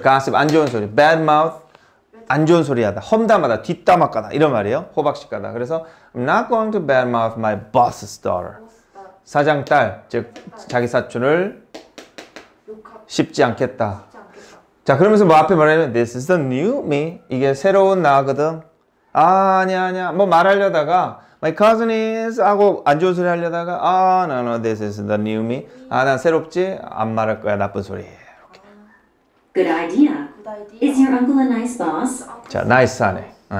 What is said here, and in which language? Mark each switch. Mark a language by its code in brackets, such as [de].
[ko] Gossip, 안 좋은 소리. Bad mouth, 안 좋은 소리 하다. 험담하다, 뒷담화까다. 이런 말이에요. 호박식까다. 그래서 [en] I'm not going to bad mouth my boss's daughter. [ko] 사장 딸, 즉 자기 사촌을 쉽지 않겠다. 자, 그러면서 뭐 앞에 말하냐면 [en] This is the new me. [ko] 이게 새로운 나거든. 아, 아니야, 아니야. 뭐 말하려다가 [en] My cousin is [ko] 하고 안 좋은 소리 하려다가 아, [en] no, no, this is the new me. [ko] 아, 난 새롭지? 안 말할 거야, 나쁜 소리. 이렇게. [en] Good idea. Good idea. Is your uncle a nice boss? [ko] 자, 나이스하네.